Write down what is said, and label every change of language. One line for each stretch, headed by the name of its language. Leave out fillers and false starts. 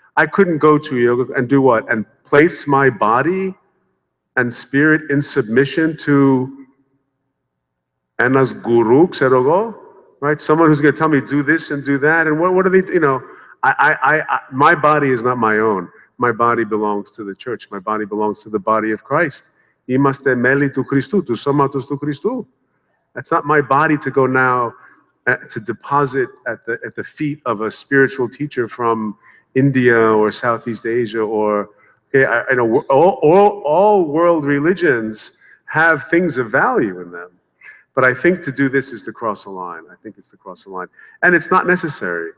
English: I couldn't go to a yoga and do what? And place my body and spirit in submission to Anna's guru, Xerogo, right? Someone who's going to tell me, do this and do that. And what are they, you know? My body is not my own. My body belongs to the church. My body belongs to the body of Christ.
Greek: Είμαστε μέλη του Χριστού, του σώματος του Χριστού.
English: That's not my body to go now to deposit at the feet of a spiritual teacher from India or Southeast Asia or, okay, I know, all world religions have things of value in them. But I think to do this is to cross a line. I think it's to cross a line. And it's not necessary.